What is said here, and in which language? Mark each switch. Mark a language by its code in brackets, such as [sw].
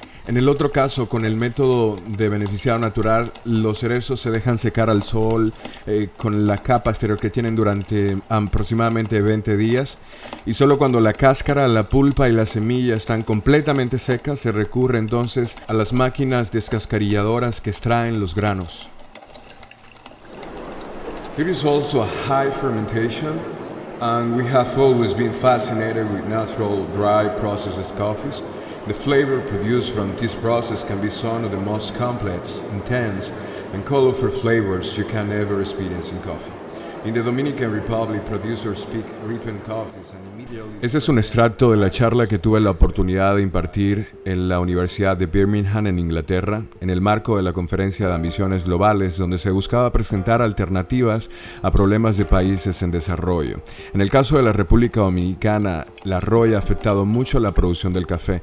[es] En el otro caso, con el método de beneficiado natural, los cerezos se dejan secar al sol con la capa exterior que tienen durante aproximadamente 20 días. Y solo cuando la cáscara, la pulpa y la semilla están completamente secas, se recurre entonces a las máquinas descascarilladoras que extraen los granos. [en] It is also a high fermentation. And we have always been fascinated with natural, dry processed coffees. The flavor produced from this process can be some of the most complex, intense, and colorful flavors you can ever experience in coffee. In the Dominican Republic, producers speak ripened coffees and immediately... [es] Este es un extracto de la charla que tuve la oportunidad de impartir en la Universidad de Birmingham en Inglaterra, en el marco de la Conferencia de Ambiciones Globales, donde se buscaba presentar alternativas a problemas de países en desarrollo. En el caso de la República Dominicana, la roya ha afectado mucho la producción del café.